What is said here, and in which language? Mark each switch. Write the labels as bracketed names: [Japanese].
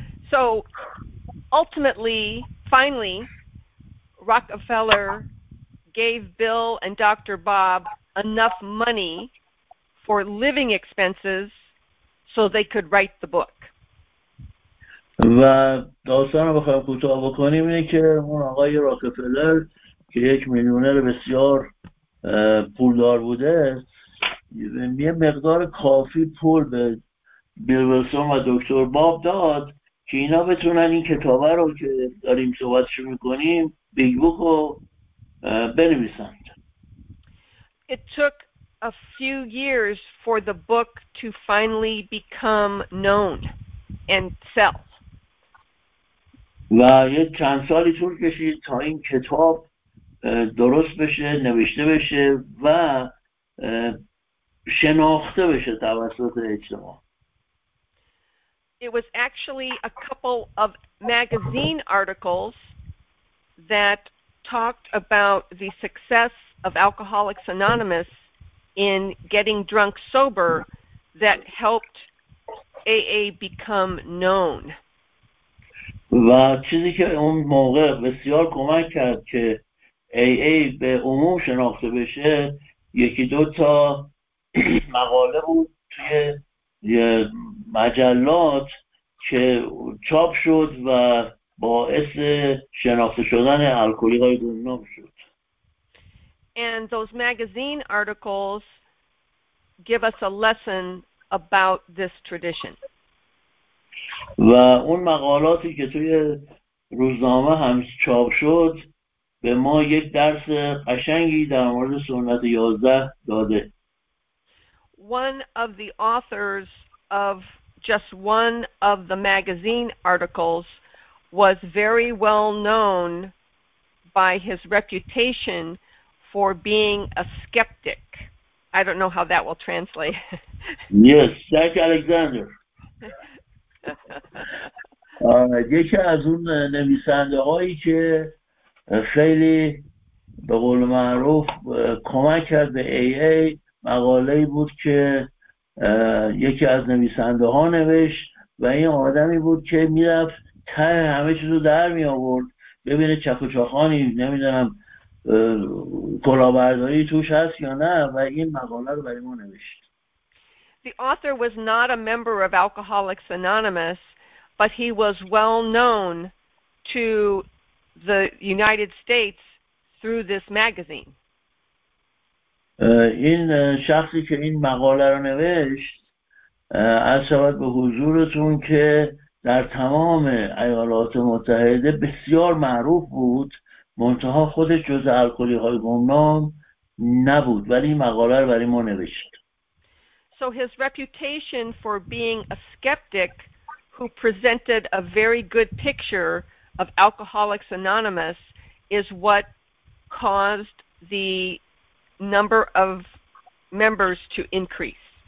[English] So, ultimately, finally, Rockefeller gave Bill and Dr. Bob enough money for living expenses so they could write the book. [Persian] و داستان رو بخواهم کوتاه بکنیم اینه که اون آقای راکفلر که یک میلیونر بسیار پولدار بوده، یه مقدار کافی پول به بیل ویلسون و دکتر باب داد که اینا بتونن این کتابه رو که داریم صحبتش میکنیم بیگ بوک رو بنویسند. [English] It took a few years for the book to finally become known and sell. [Persian] و یه چند سالی طول کشید تا این کتاب درست بشه، نوشته بشه و شناخته بشه توسط اجتماع. [English] It was actually a couple of magazine articles that talked about the success of Alcoholics Anonymous in getting drunk sober that helped AA become known. [Persian] و چیزی که اون موقع بسیار کمک کرد که AA به عموم شناخته بشه، یکی دو تا مقاله بود توی مجلات که چاپ شد و باعث شناخته شدن الکلی‌های گمنام شد. [English] And those magazine articles give us a lesson about this tradition. [Persian] و اون مقالاتی که توی روزنامه هم چاپ شد به ما یک درس قشنگی در مورد سنت 11 داده. [English] One of the authors of just one of the magazine articles was very well known by his reputation for being a skeptic. I don't know how that will translate. Yes, Jack Alexander. [Persian] یکی از اون نویسنده هایی که خیلی به قول معروف کمک کرد به AA مقاله بود که یکی از نویسنده ها نوشت و این آدمی بود که میرفت ته همه چیز رو در می آورد ببینه چک و چاخانی نمیدونم کلاهبرداری توش هست یا نه، و این مقاله رو برای ما نوشت. [English] The author was not a member of Alcoholics Anonymous, but he was well known to the United States through this magazine. [Persian] این شخصی که این مقاله رو نوشت، عرض به حضورتون که در تمام ایالات متحده بسیار معروف بود، منتها خودش جز الکلی‌های گمنام نبود، ولی این مقاله رو برای ما نوشت. [English] So his reputation for being a skeptic who presented a very good picture of Alcoholics Anonymous is what caused the number of members to increase.